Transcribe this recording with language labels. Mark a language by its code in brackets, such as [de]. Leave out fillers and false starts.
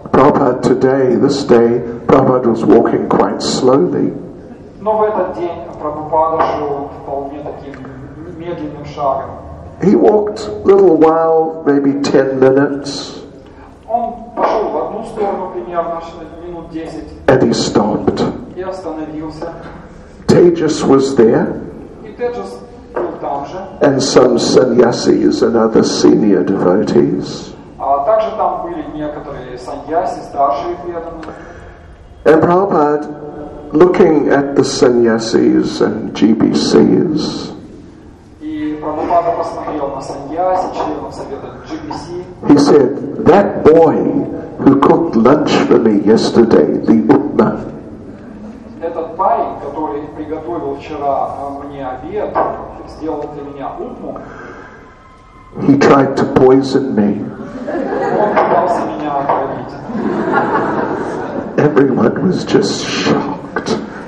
[en] Prabhupada today, this day, Prabhupada was walking quite slowly. [ru] Но в этот день Прабхупада шел вполне таким... [en] He walked a little while, maybe 10 minutes. [ru] Он пошёл в одну сторону примерно минут 10. [en] And he stopped. [ru] И остановился. [en] Tejas was there. [ru] И Tejas был там же. [en] And some sannyasis and other senior devotees. [ru] А также там были некоторые саньяси, старшие преданные. [en] And Prabhupada, looking at the sannyasis and GBCs. He said, "That boy who cooked lunch for me yesterday, the Upma." [ru] Этот парень, который приготовил вчера мне обед, сделал для меня упму. [en] He tried to poison me. [ru] Он пытался меня отравить. [en] Everyone was just shocked.